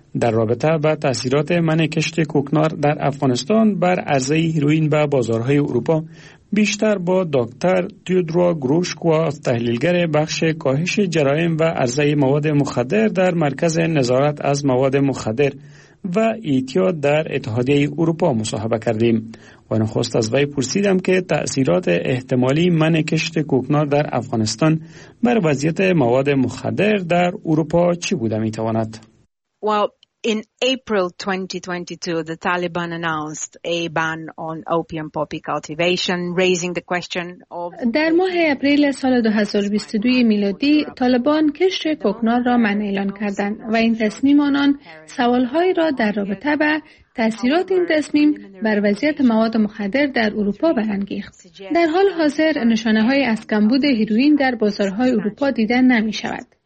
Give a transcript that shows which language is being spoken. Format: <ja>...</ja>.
<fa>در رابطه با تأثیرات منع کشت کوکنار در افغانستان بر عرضه هیروئین به بازارهای اروپا، بیشتر با دکتر تیودرو گروشکوا، تحلیلگر بخش کاهش جرایم و عرضه مواد مخدر در مرکز نظارت از مواد مخدر و اعتیاد در اتحادیه اروپا مصاحبه کردیم و نخست از وی پرسیدم که تأثیرات احتمالی منع کشت کوکنار در افغانستان بر وضعیت مواد مخدر در اروپا چی بوده میتواند؟</fa> <en>Well, In April 2022, the Taliban announced a ban on opium poppy cultivation, raising the question of...</en> <fa>در ماه اپریل سال 2022 میلادی، طالبان کشت کوکنار را منع اعلان کردند و این تصمیم آنان سوالهای را در رابطه به تأثیرات این تصمیم بر وضعیت مواد مخدر در اروپا برانگیخت. در حال حاضر نشانه های از کمبود هیروئین در بازارهای اروپا دیدن نمی شود.</fa>